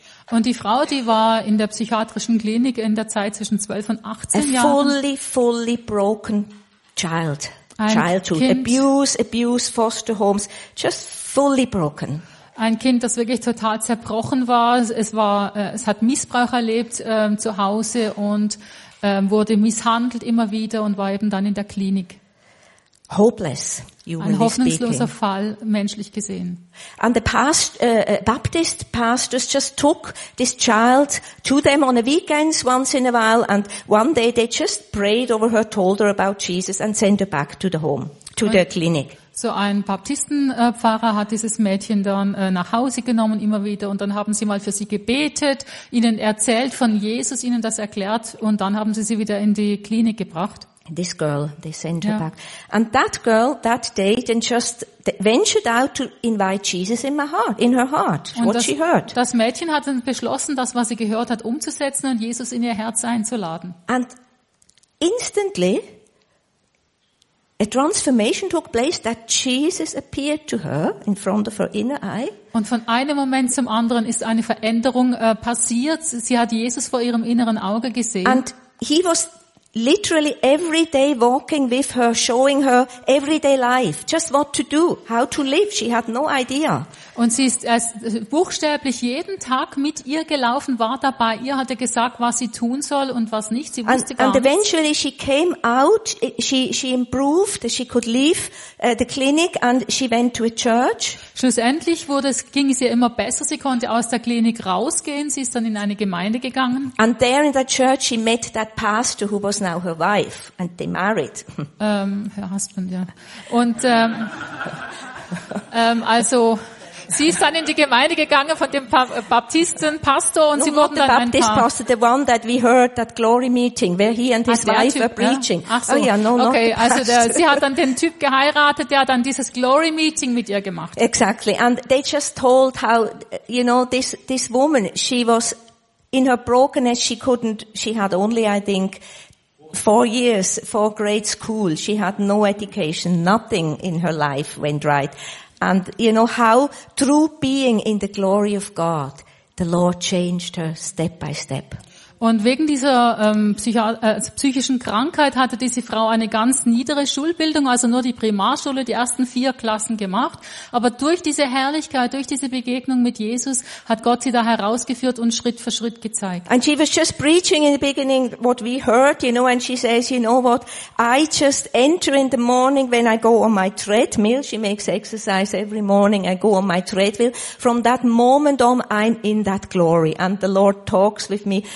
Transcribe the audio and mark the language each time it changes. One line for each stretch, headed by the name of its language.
German: Und die Frau, die war in der psychiatrischen Klinik in der Zeit zwischen 12 und 18 Jahren.
English: A fully, fully broken child. Childhood.
German: Kind.
English: Abuse, foster homes. Just fully broken.
German: Ein Kind, das wirklich total zerbrochen war. Es hat Missbrauch erlebt zu Hause und wurde misshandelt immer wieder und war eben dann in der Klinik.
English: Hopeless,
German: ein hoffnungsloser Fall, menschlich gesehen.
English: And the Baptist pastors just took this child to them on the weekends once in a while, and one day they just prayed over her, told her about Jesus and sent her back to the home, to the clinic.
German: So ein Baptistenpfarrer hat dieses Mädchen dann nach Hause genommen immer wieder und dann haben sie mal für sie gebetet, ihnen erzählt von Jesus, ihnen das erklärt und dann haben sie sie wieder in die Klinik gebracht.
English: This girl, they sent her back. And that girl, that day, then just ventured out to invite Jesus in her heart, she heard.
German: Das Mädchen hat dann beschlossen, das, was sie gehört hat, umzusetzen und Jesus in ihr Herz einzuladen.
English: And instantly, a transformation took place that Jesus appeared to her in front of her inner eye.
German: Und von einem Moment zum anderen ist eine Veränderung passiert. Sie hat Jesus vor ihrem inneren Auge gesehen.
English: And he was literally every day walking with her, showing her everyday life, just what to do, how to live. She had no idea.
German: Und sie ist buchstäblich jeden Tag mit ihr gelaufen, war dabei. Ihr hatte gesagt, was sie tun soll und was nicht. Sie wusste gar nichts.
English: And eventually she came out. She improved. She could leave the clinic and she went to a church.
German: Schlussendlich ging es ihr immer besser. Sie konnte aus der Klinik rausgehen. Sie ist dann in eine Gemeinde gegangen.
English: And there in the church she met that pastor who was now her wife and they married. Her husband,
German: ja. Und also. Sie ist dann in die Gemeinde gegangen von dem Baptistenpastor und sie wurden dann ein Paar.
English: Pastor, the one that we heard that glory meeting, where he and his wife were preaching. Ach so, oh, yeah, no, okay, not the pastor.
German: Also sie hat dann den Typ geheiratet, der hat dann dieses glory meeting mit ihr gemacht.
English: Exactly, and they just told how, you know, this woman, she was in her brokenness, she had only, I think, 4 years, 4 grade school, she had no education, nothing in her life went right. And you know how through being in the glory of God, the Lord changed her step by step.
German: Und wegen dieser psychischen Krankheit hatte diese Frau eine ganz niedere Schulbildung, also nur die Primarschule, die ersten 4 Klassen gemacht. Aber durch diese Herrlichkeit, durch diese Begegnung mit Jesus, hat Gott sie da herausgeführt und Schritt für Schritt gezeigt.
English: And she was just preaching in the beginning what we heard, you know, and she says, you know what, I just enter in the morning when I go on my treadmill. She makes exercise every morning, I go on my treadmill. From that moment on, I'm in that glory and the Lord talks with me.